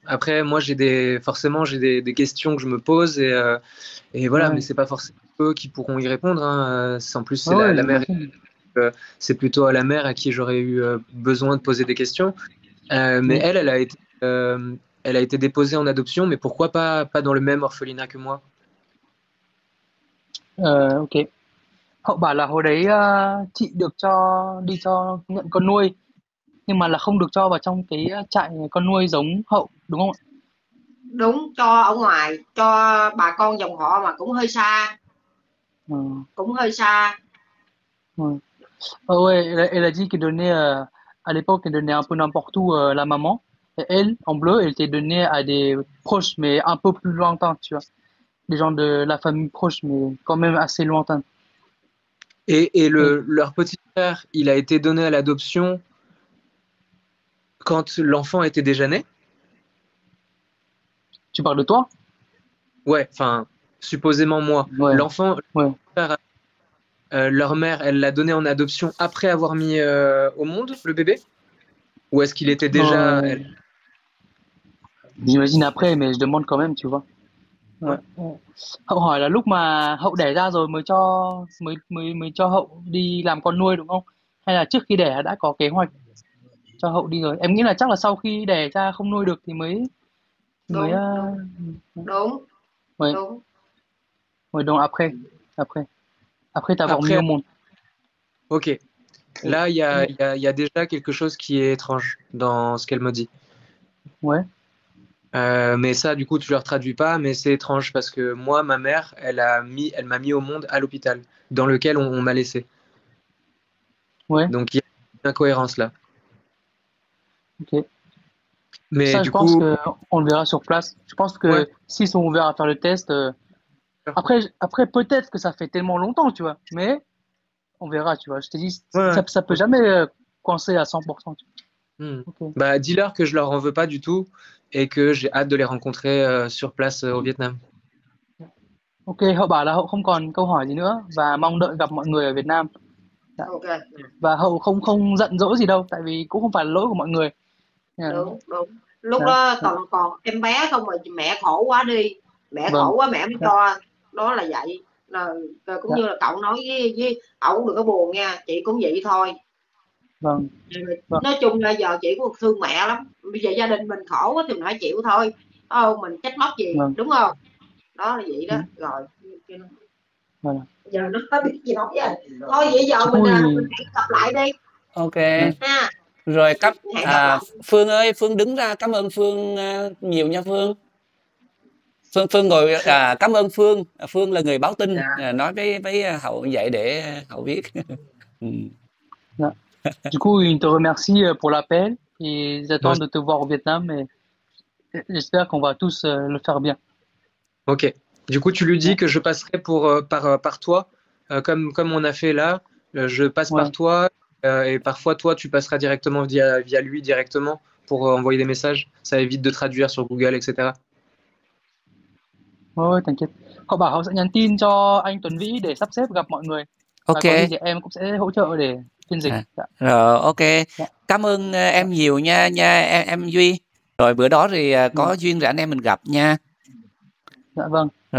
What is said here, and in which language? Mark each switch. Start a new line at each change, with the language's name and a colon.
French: Après, moi j'ai des forcément j'ai des questions que je me pose et voilà, mais c'est pas forcément eux qui pourront y répondre. Hein. En plus, c'est la mère, J'imagine. c'est plutôt à la mère à qui j'aurais eu besoin de poser des questions. Mais elle a été déposée en adoption, mais pourquoi pas dans le même orphelinat que moi? Ok.
Vietnamese: Họ bảo là hồi đấy chị được cho đi cho nhận con nuôi, nhưng mà là không được cho vào trong cái trại con nuôi giống Hậu, đúng không ạ? Đúng, cho ở ngoài, cho bà con dòng họ mà cũng hơi xa, cũng hơi xa.
French: Elle a dit qu'elle donnait à l'époque, elle donnait un peu n'importe où la maman. Et elle, en bleu, elle était donnée à des proches, mais un peu plus lointains, tu vois. Des gens de la famille proche, mais quand même assez lointains. Et leur petit frère, il a été donné à l'adoption quand l'enfant était déjà né? Tu parles de toi? Ouais, enfin, supposément moi. L'enfant, leur mère, elle l'a donné en adoption après avoir mis au monde le bébé? Ou est-ce qu'il était déjà... Elle... J'imagine après, mais je demande quand même, tu vois.
Vietnamese: Hậu hỏi là lúc mà Hậu đẻ ra rồi mới cho mới mới mới cho Hậu đi làm con nuôi đúng không? Hay là trước khi đẻ đã có kế hoạch cho Hậu đi rồi? Em nghĩ là chắc là sau khi đẻ ra không nuôi được thì mới mới Đúng, đúng, đúng, mới đúng. mới đúng,
French: après après après t'avoir mis Après, au monde. Ok. Là, y a déjà quelque chose qui est étrange dans ce qu'elle me dit. Ouais. Mais ça, du coup, tu ne leur traduis pas, mais c'est étrange parce que moi, ma mère, elle m'a mis au monde à l'hôpital dans lequel on m'a laissé. Ouais. Donc, il y a une incohérence là. Ok. Mais Ça, je du pense coup. que on le verra sur place. Je pense Ouais. que s'ils sont ouverts à faire le test, après peut-être que ça fait tellement longtemps, tu vois, mais on verra, tu vois. Je te dis, Ouais. ça peut jamais coincer à 100%. Ok. Bah, dis-leur que je leur en veux pas du tout et que j'ai hâte de les rencontrer sur place au Vietnam.
Vietnamese: Ok, họ bảo là họ không còn câu hỏi gì nữa và mong đợi gặp mọi người ở Việt Nam. Và họ không không giận dỗi gì đâu, tại vì cũng không phải là lỗi của mọi người. Đúng, đúng. Lúc Đó. đó còn còn em bé không mà mẹ khổ quá đi. Mẹ khổ quá mẹ mới cho. Đó là vậy. Là cũng như là cậu nói với ổng đừng có buồn nha, chị cũng vậy thôi. Nói chung là giờ chị cũng thương mẹ lắm. Bây giờ gia đình mình khổ quá thì mình phải chịu thôi. Không, mình trách móc gì, đúng không? Đó là vậy đó. Rồi. Giờ nó có biết gì nói vậy. Thôi vậy giờ mình Ui. hẹn gặp lại đi. Ok. Ha. Rồi cấp Hẹn gặp lại. Phương ơi, Phương đứng ra, cảm ơn Phương nhiều nha Phương. Phương gọi cảm ơn Phương, Phương là người báo tin nói với Hậu vậy để Hậu biết.
French: Du coup, il te remercie pour l'appel et j'attends de te voir au Vietnam et j'espère qu'on va tous le faire bien. Ok. Du coup, tu lui dis que je passerai par toi, comme on a fait là. Je passe par Ouais. toi, et parfois toi, tu passeras directement via lui directement pour envoyer des messages. Ça évite de traduire sur Google, etc. Ôi, t'inquiète.
Vietnamese: Họ bảo họ sẽ nhắn tin cho anh Tuấn Vĩ để sắp xếp gặp mọi người. Và có gì Ok. thì em cũng sẽ hỗ trợ để phiên dịch. Dạ. Rồi, ok. Cảm ơn em nhiều nha nha em Duy. Rồi bữa đó thì Vâng. có duyên rồi anh em mình gặp nha. Dạ vâng. Dạ cảm